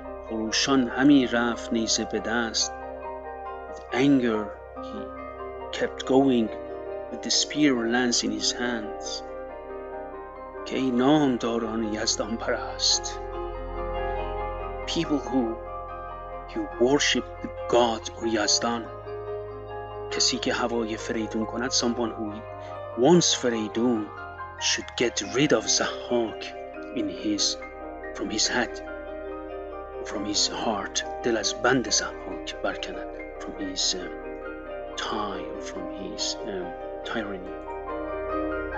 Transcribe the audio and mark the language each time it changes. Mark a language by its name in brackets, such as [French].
[Persian] خروشان همی رفت نیزه به دست. [English] With anger he kept going with the spear or lance in his hands. [Persian] که ای نام داران یزدان پرست. [English] People who you worship the god or Yazdan. [Persian] Kasi ke havay Fereidun konat, [English] someone who wants Fereidun should get rid of Zahak from his heart, [Persian] del az band Zahak barkanat, [English] from his tyranny.